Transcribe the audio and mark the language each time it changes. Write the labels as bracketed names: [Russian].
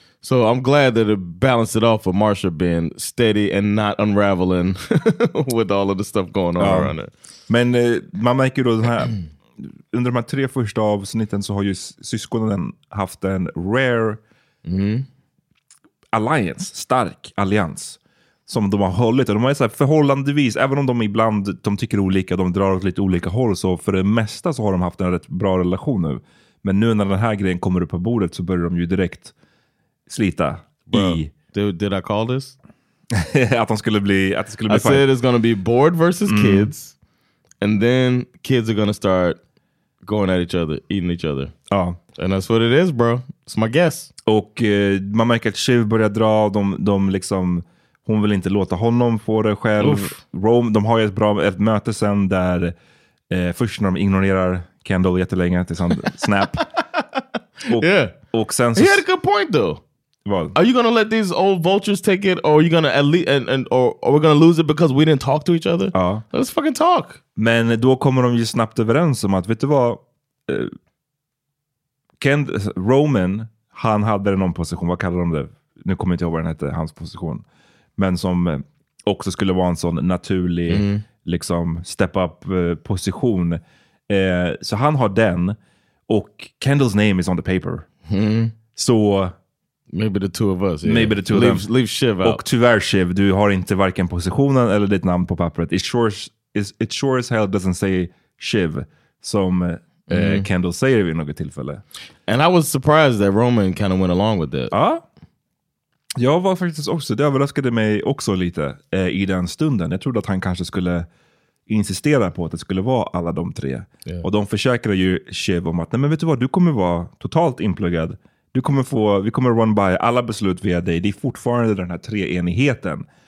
[English] So I'm glad that it balanced it off with Marsha being steady and not unraveling with all of the stuff going on around it. [Swedish] Men man märker då den här, under de här tre första avsnitten så har ju syskonen haft en rare... Alliance, stark allians som de har hållit. Och de har så här förhållandevis, även om de ibland de tycker olika, de drar åt lite olika håll, så för det mesta så har de haft en rätt bra relation nu. Men nu när den här grejen kommer upp på bordet så börjar de ju direkt slita. Bro, i... [English] Did I call this? [Swedish] att de skulle bli... Att det skulle bli [English] I fine. Said it's gonna be bored versus kids. And then kids are gonna start going at each other, eating each other. [Swedish] Ja. [English] And that's what it is, bro. It's my guess. [Swedish] Och man märker att Shiv börjar dra, de liksom, hon vill inte låta honom få det själv. Rome, de har ju ett möte sen där först när de ignorerar Kendall jättelänge till sånt snap. Och sen så, [English] he had a good point though. [Swedish] Vad? [English] Are you gonna let these old vultures take it, or are you gonna at least or we're gonna lose it because we didn't talk to each other? [Swedish] Ja. [English] Let's fucking talk. [Swedish] Men då kommer de ju snabbt överens om att, vet du vad, Roman, han hade någon position, vad kallar de det? Nu kommer jag inte ihåg vad den hette, hans position. Men som också skulle vara en sån naturlig, liksom, step-up-position. Så han har den, [English] och Kendall's name is on the paper. [Swedish] Så... [English] Maybe the two of us. Maybe the two of them. Leave Shiv out. [Swedish] Och tyvärr, Shiv, du har inte varken positionen eller ditt namn på pappret. [English] It sure as hell doesn't say Shiv, [Swedish] som... Kendall säger vid något tillfälle. [English] And I was surprised that Roman kind of went along with it. [Swedish] Ja. Jag var faktiskt också, det överraskade mig också lite i den stunden. Jag trodde att han kanske skulle insistera på att det skulle vara alla de tre. [English] Yeah. [Swedish] Och de försäkrade ju Shiv om att, nej men vet du vad, du kommer vara totalt inpluggad. Du kommer få, vi kommer [English] run by [Swedish] alla beslut via dig. Det är fortfarande den här treenigheten.